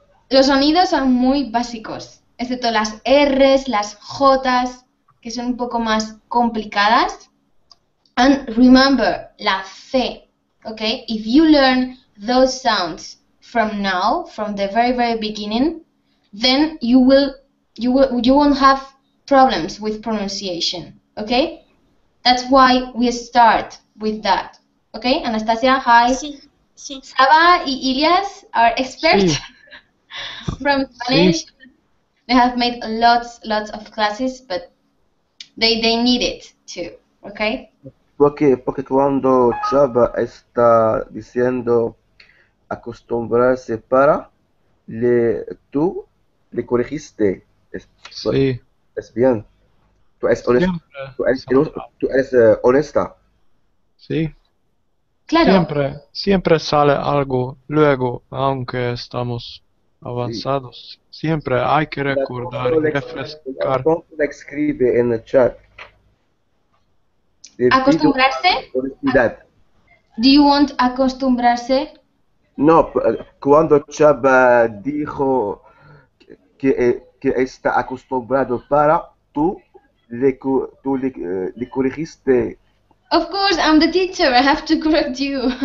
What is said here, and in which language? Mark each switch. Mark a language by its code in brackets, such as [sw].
[es] Los sonidos son muy básicos, excepto las R's, las J's, que son un poco más complicadas. [en] And remember, la C. ¿Ok? If you learn those sounds from now, from the very, very beginning, then you won't have problems with pronunciation. ¿Ok? That's why we start with that. ¿Ok? Anastasia, hi. [es] Sí, sí. [en] Saba y Ilias are experts. [es] Sí. [en] From Spanish, [es] sí. [en] They have made lots of classes, but they need it too, okay? [es] Porque cuando Chava está diciendo acostumbrarse para, tú le corregiste. Sí. Es bien. Tú eres honesta. Tú eres honesta. Sí. Claro. Siempre sale algo luego, aunque estamos avanzados. Sí. Siempre hay que recordar y refrescar. ¿Cómo le escribe en el chat? [en] ¿Acostumbrarse? ¿Do you want acostumbrarse? [es] No, cuando Chava dijo que está acostumbrado para, tú le corregiste. [en] Of course, I'm the teacher, I have to correct you.